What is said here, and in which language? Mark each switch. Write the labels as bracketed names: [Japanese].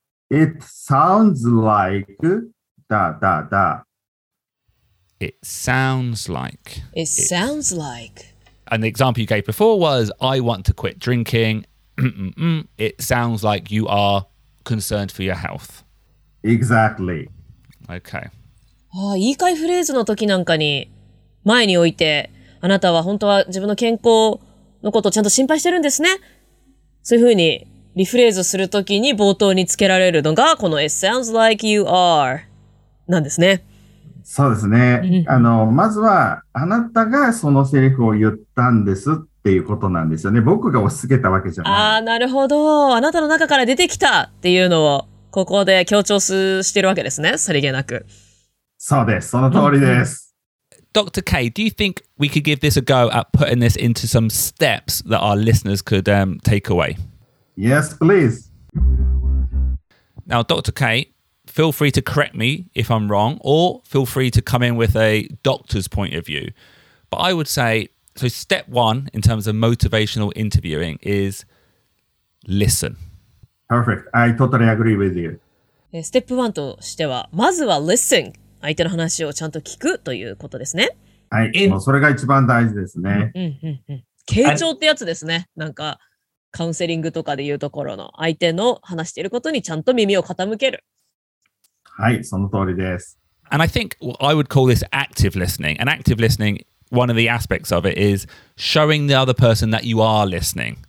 [English] It sounds like da da da. It sounds like. It sounds like. And the example you gave before was, I want to quit drinking. It sounds like you are concerned for your health. Exactly. Okay. [Japanese] ああ、言い換えフレーズの時なんかに前に置いて、あなたは本当は自分の健康のことをちゃんと心配してるんですね。そういうふうにリフレーズする時に冒頭につけられるのが、この [English] It sounds like you are [Japanese] なんですね。そうですね。まずは、あなたがそのセリフを言ったんですっていうことなんですよね。僕が押し付けたわけじゃない。ああ、なるほど。あなたの中から出てきたっていうのを、ここで強調してるわけですね。さりげなく。そうです。その通りです。 [English] Dr. K, do you think we could give this a go at putting this into some steps that our listeners could take away? Yes, please. Now, Dr. K,feel free to correct me if I'm wrong, or feel free to come in with a doctor's point of view. But I would say, so step one in terms of motivational interviewing is listen. Perfect. I totally agree with you. Step one [Japanese] としては、まずは listen. 相手の話をちゃんと聞くということですね。はい、もうそれが一番大事ですね。傾聴ってやつですね。なんかカウンセリングとかで言うところの、相手の話していることにちゃんと耳を傾ける。はい、その通りです。 [English] And I think I would call this active listening. And active listening, one of the aspects of it is showing the other person that you are listening.